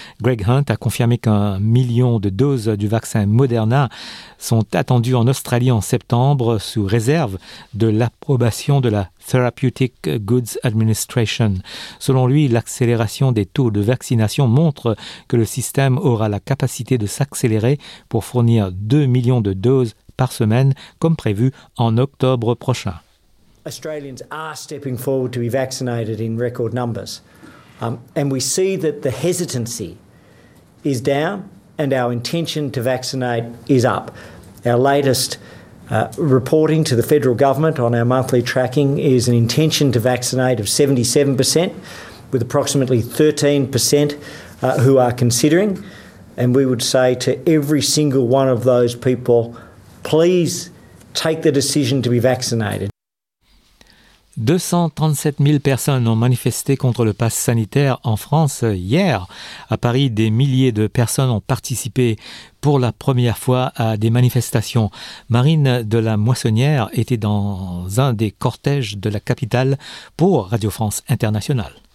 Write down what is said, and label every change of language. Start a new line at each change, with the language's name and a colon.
French: Greg Hunt a confirmé qu'un million de doses du vaccin Moderna sont attendues en Australie en septembre sous réserve de l'approbation de la Therapeutic Goods Administration. Selon lui, l'accélération des taux de vaccination montre que le système aura la capacité de s'accélérer pour fournir 2 millions de doses par semaine, comme prévu en octobre prochain.
English: Australians are stepping forward to be vaccinated in record numbers. And we see that the hesitancy is down and our intention to vaccinate is up. Our latest reporting to the federal government on our monthly tracking is an intention to vaccinate of 77%, with approximately 13% who are considering. And we would say to every single one of those people, please take the decision to be vaccinated.
French: 237 000 personnes ont manifesté contre le pass sanitaire en France hier. À Paris, des milliers de personnes ont participé pour la première fois à des manifestations. Marine de la Moissonnière était dans un des cortèges de la capitale pour Radio France Internationale.